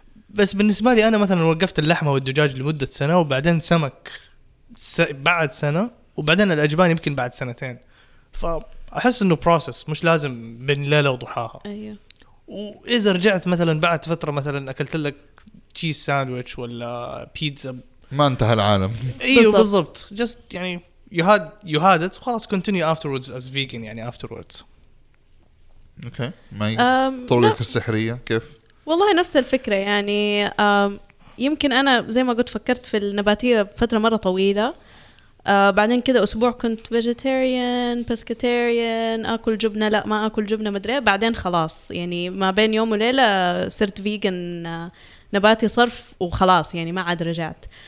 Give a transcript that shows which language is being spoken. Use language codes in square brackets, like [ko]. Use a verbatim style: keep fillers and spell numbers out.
[ar] بس بالنسبة لي أنا مثلا وقفت اللحمة والدجاج لمدة سنة، وبعدين سمك س... بعد سنة، وبعدين الأجبان يمكن بعد سنتين. فأحس إنه process مش لازم بين ليلة وضحاها. أيوه. وإذا رجعت مثلاً بعد فترة مثلاً أكلت لك تشيز ساندويتش ولا بيتزا، ما انتهى العالم. أيوه بالضبط. [en] just يعني you had you had it خلاص continue afterwards as vegan، يعني afterwards. [ar] أوكي. ما طريقة السحرية كيف؟ والله نفس الفكرة، يعني يمكن أنا زي ما قلت فكرت في النباتية فترة مرة طويلة، آه بعدين كده أسبوع كنت فيجيتيريان بسكتيريان، أكل جبنة لا ما أكل جبنة مدري، بعدين خلاص يعني ما بين يوم وليلة صرت فيجن آه نباتي صرف وخلاص، يعني ما عاد رجعت.